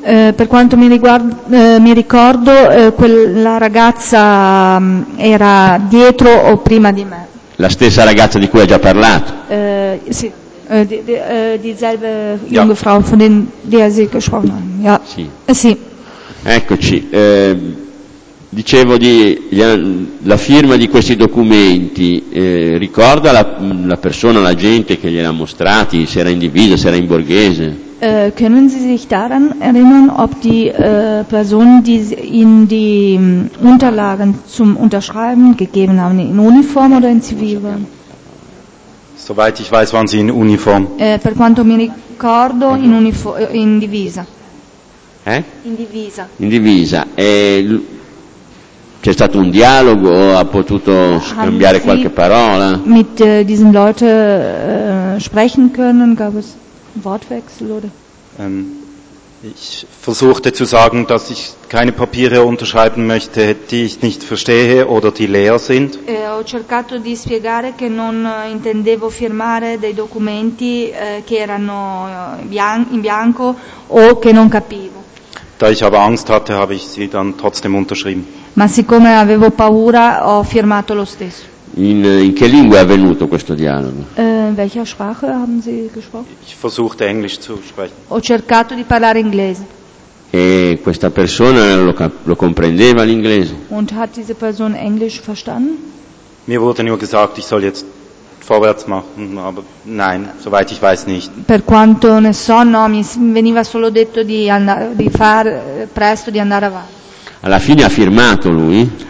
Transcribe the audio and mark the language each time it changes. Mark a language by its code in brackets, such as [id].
[it] Per quanto mi riguarda, mi ricordo, quella ragazza era dietro o prima di me? La stessa ragazza di cui hai già parlato? Sì. [de] Dieselbe junge Frau von den Diasi gesprochen haben. Ja. [it] Sì. Sì. Eccoci. Dicevo di la firma di questi documenti, ricorda la persona, la gente che gliela ha mostrati, se era in divisa, se era in borghese? [de] Können Sie sich daran erinnern, ob die Person, die Ihnen die Unterlagen zum Unterschreiben gegeben haben, in Uniform oder in Zivil waren? Soweit ich weiß, waren Sie in Uniform. [it] Per quanto mi ricordo, [de] in Uniform, [it] in divisa. In divisa. In divisa. C'è stato un dialogo, ha potuto scambiare qualche parola? [de] Mit diesen Leuten sprechen können, gab es Wortwechsel oder? Ich versuchte zu sagen, dass ich keine Papiere unterschreiben möchte, die ich nicht verstehe oder die leer sind. [it] Ho cercato di spiegare che non intendevo firmare dei documenti che erano in bianco o che non capivo. [de] Da ich aber Angst hatte, habe ich sie dann trotzdem unterschrieben. [it] Ma siccome avevo paura, ho firmato lo stesso. In che lingua è avvenuto questo dialogo? [de] In welcher Sprache haben Sie gesprochen? Ich versuchte Englisch zu sprechen. [it] Ho cercato di parlare inglese. E questa persona lo comprendeva l'inglese? [de] Und hat diese Person Englisch verstanden? Mir wurde nur gesagt, ich soll jetzt vorwärts machen, aber nein, soweit ich weiß nicht. [it] Per quanto ne so, no, mi veniva solo detto di andare avanti. Alla fine ha firmato lui?